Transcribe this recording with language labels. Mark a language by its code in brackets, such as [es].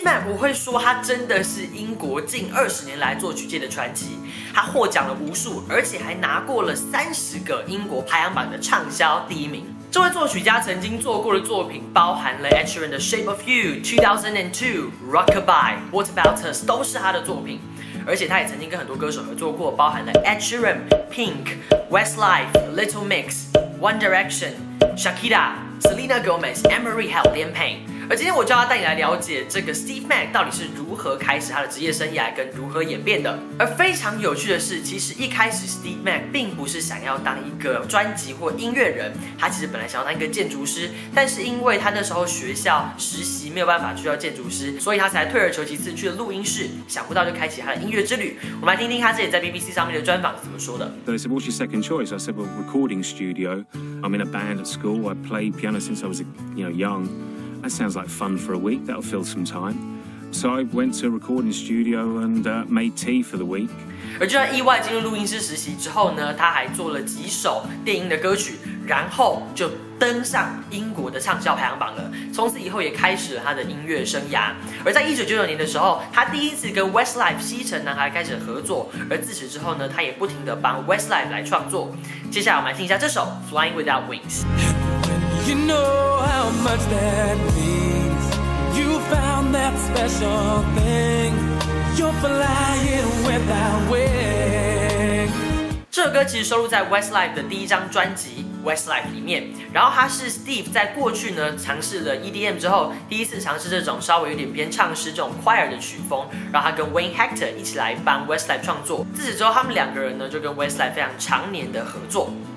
[zh] 我会说他真的是英国近20年来作曲界的传奇，他获奖了无数，而且还拿过了30个英国排行榜的畅销第一名。这位作曲家曾经做过的作品包含了 Ed Sheeran 的 Shape of You、 2002 Rockabye、 What About Us 都是他的作品，而且他也曾经跟很多歌手合作过，包含了 Ed Sheeran、 Pink、 Westlife、 Little Mix、 One Direction、 Shakira、 Selena Gomez、 Emery Hell、 Liam Payne。而今天我就要带你来了解这个 Steve Mac 到底是如何开始他的职业生涯跟如何演变的。而非常有趣的是，其实一开始 Steve Mac 并不是想要当一个专辑或音乐人，他其实本来想要当一个建筑师，但是因为他那时候学校实习没有办法去到建筑师，所以他才退而求其次去了录音室，想不到就开启他的音乐之旅。我们来听听他自己在 BBC 上面的专访怎么说的。 [en] What's your second choice? I said, well, recording studio. I'm in a band at school. I played piano since I was, young. That sounds like fun for a week, that'll fill some time. So I went to a recording studio and made tea for the week. [zh] 而就在意外进入录音室实习之后呢，他还做了几首电音的歌曲，然后就登上英国的畅销排行榜了。从此以后也开始了他的音乐生涯。而在1999年的时候，他第一次跟 Westlife 西城男孩开始合作，而自此之后呢，他也不停地帮 Westlife 来创作。接下来我们来听一下这首 Flying Without Wings。 [en] You know how much that means. You found that special thing. You're flying without wings. [zh] 这首歌其实收录在 Westlife 的第一张专辑Westlife 里面，然后他是 Steve 在过去呢尝试了 EDM 之后，第一次尝试这种稍微有点偏唱诗这种 choir 的曲风，然后他跟 Wayne Hector 一起来帮 Westlife 创作。自此之后，他们两个人呢就跟 Westlife 非常常年的合作。